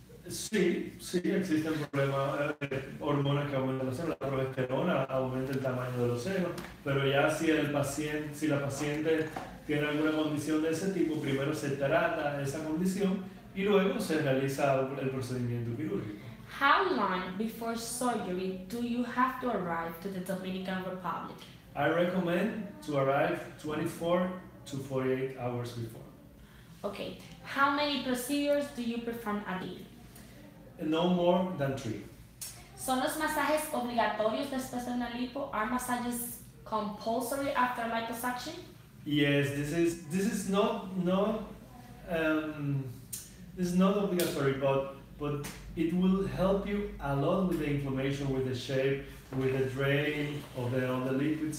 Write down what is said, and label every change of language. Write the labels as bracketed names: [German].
[Spanish] Sí, existen hormonas que aumentan los senos, la progesterona aumenta el tamaño de los senos, pero ya si la paciente tiene alguna condición de ese tipo, primero se trata esa condición y luego se realiza el procedimiento quirúrgico. [English] How long before surgery do you have to arrive to the Dominican Republic? I recommend to arrive 24 to 48 hours before. Okay, how many procedures do you perform a day? No more than three. [Spanish] ¿Son los masajes obligatorios después de una lipo? [English] Are massages compulsory after liposuction? Yes, this is not obligatory, but it will help you a lot with the inflammation, with the shape, with the drain of the liquids.